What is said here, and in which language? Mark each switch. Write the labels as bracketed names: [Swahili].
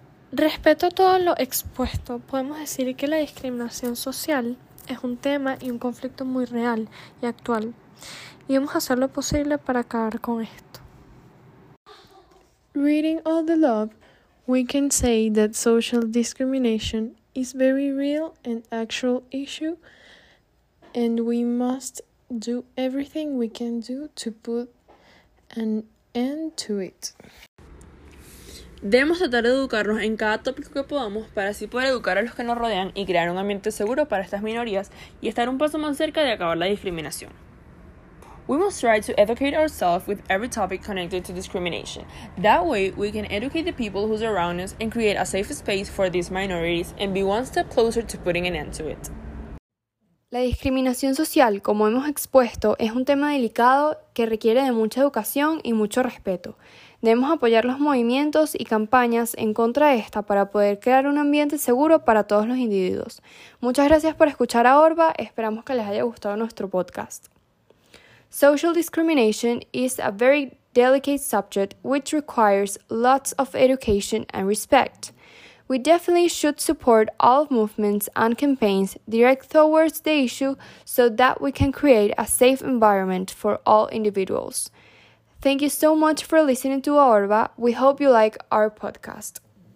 [Spanish] Respecto a todo lo expuesto, podemos decir que la discriminación social es un tema y un conflicto muy real y actual, y vamos a hacer lo posible para acabar con esto. [English] Reading all the love, we can say that social discrimination is very real and actual issue, and we must do everything we can do to put an end to it. [Spanish] Debemos tratar de educarnos en cada tópico que podamos para así poder educar a los que nos rodean y crear un ambiente seguro para estas minorías y estar un paso más cerca de acabar la discriminación. [English] We must try to educate ourselves with every topic connected to discrimination. That way, we can educate the people who's around us and create a safe space for these minorities and be one step closer to putting an end to it. [Spanish] La discriminación social, como hemos expuesto, es un tema delicado que requiere de mucha educación y mucho respeto. Debemos apoyar los movimientos y campañas en contra de esta para poder crear un ambiente seguro para todos los individuos. Muchas gracias por escuchar a Orba. Esperamos que les haya gustado nuestro podcast. [English] Social discrimination is a very delicate subject which requires lots of education and respect. We definitely should support all movements and campaigns direct towards the issue so that we can create a safe environment for all individuals. Thank you so much for listening to Orba. We hope you like our podcast.